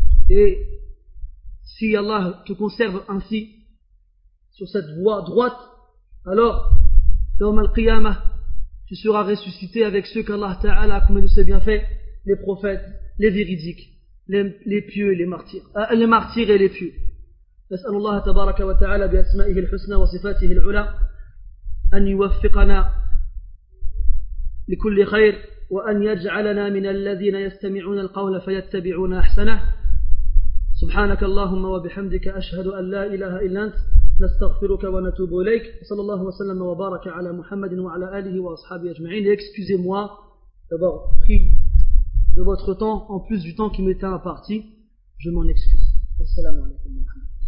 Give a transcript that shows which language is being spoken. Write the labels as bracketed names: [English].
[French] Et si Allah te conserve ainsi, sur cette voie droite, alors, dans le Qiyamah, tu seras ressuscité avec ceux qu'Allah Ta'ala a commis de ses bienfaits, les prophètes, les véridiques, les pieux et les martyrs, les martyrs et les pieux. [Arabic] نسأل الله تبارك وتعالى بأسمائه الحسنى وصفاته العلى أن يوفقنا لكل خير وأن يجعلنا من الذين يستمعون القول فيتبعون أحسنه. سبحانك اللهم وبحمدك أشهد أن لا إله إلا أنت نستغفرك ونتوب إليك. صلى الله وسلم وبارك على محمد وعلى آله وأصحابه أجمعين. [French] Excusez-moi d'avoir pris de votre temps en plus du temps qui m'était imparti. Je m'en excuse. [Arabic] Wassalamu alaikum wa rahmatullah.